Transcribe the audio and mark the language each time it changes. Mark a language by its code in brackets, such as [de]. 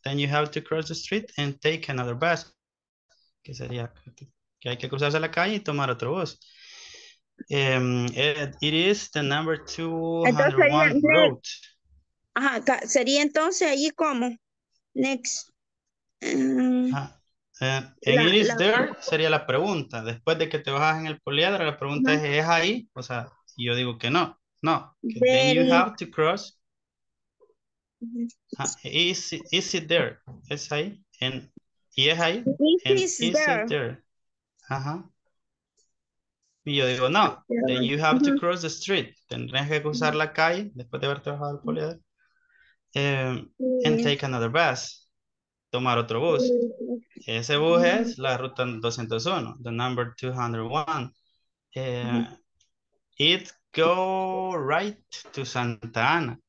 [en] Then you have to cross the street and take another bus. [es] Que sería que hay que cruzarse la calle y tomar otro bus. [en] It is the number 201 road. [es] Ajá, sería entonces ahí como next. Sería la pregunta. Después de que te bajas en el poliedro, la pregunta es ahí. O sea, yo digo que no. No. [en] Then you have to cross. Is it there? [es] Es ahí. Y es ahí. [en] Is it there? Ajá. [es] Y yo digo, no, [en] then you have to cross the street. [es] Tendrías que cruzar la calle después de haber trabajado el poliedro. [en] And take another bus. [es] Tomar otro bus. Ese bus es la ruta 201, [en] the number 201. It go right to Santa Ana.